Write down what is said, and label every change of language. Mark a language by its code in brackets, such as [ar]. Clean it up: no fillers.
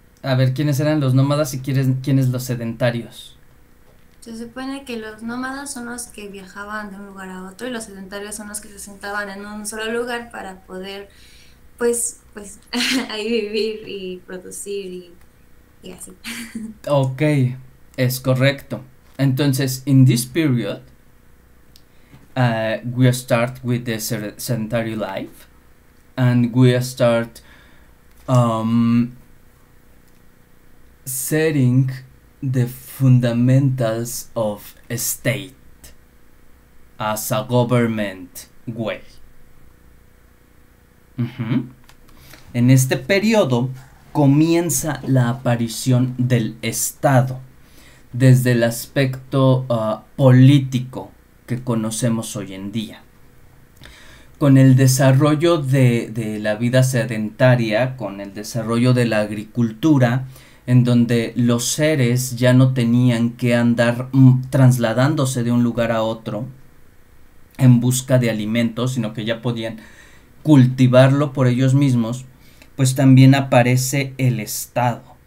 [es] A ver, ¿quiénes eran los nómadas y quiénes los sedentarios? Se supone que los nómadas son los que viajaban de un lugar a otro y los sedentarios son los que se sentaban en un solo lugar para poder, pues ahí vivir y producir y así. Ok, es correcto. [en] Entonces, in this period, we start with the sedentary life and we start setting the fundamentals of state as a government way. [es] En este periodo comienza la aparición del Estado desde el aspecto político que conocemos hoy en día. Con el desarrollo de la vida sedentaria, con el desarrollo de la agricultura, en donde los seres ya no tenían que andar trasladándose de un lugar a otro en busca de alimentos, sino que ya podían cultivarlo por ellos mismos, pues también aparece el Estado.